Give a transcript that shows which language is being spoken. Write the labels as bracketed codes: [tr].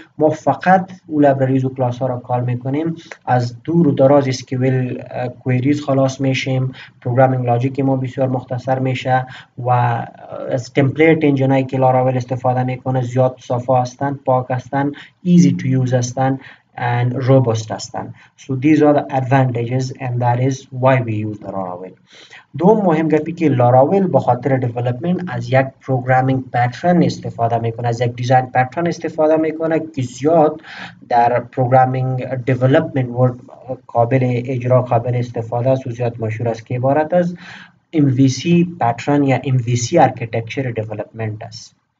[fa] ما فقط اون لایبرریز و کلاس ها را کال میکنیم، از دور و دراز اسکیول کوئریز خلاص میشیم، پروگرامینگ لاجیک ما بسیار مختصر میشه و از تمپلیت انجن هایی که لاراویل استفاده میکنه زیاد صاف هستند، پاک هستند، ایزی تو یوز هستند [en] and robust [fa] هستن. [en] So these are the advantages and that is why we use the Laravel. [fa] دو مهم گپی که Laravel به خاطر development از یک programming pattern استفاده میکنه، از یک design pattern استفاده میکنه که زیاد در programming development world قابل اجرا قابل استفاده است و زیاد مشهور است که عبارت از MVC pattern یا MVC architecture development است.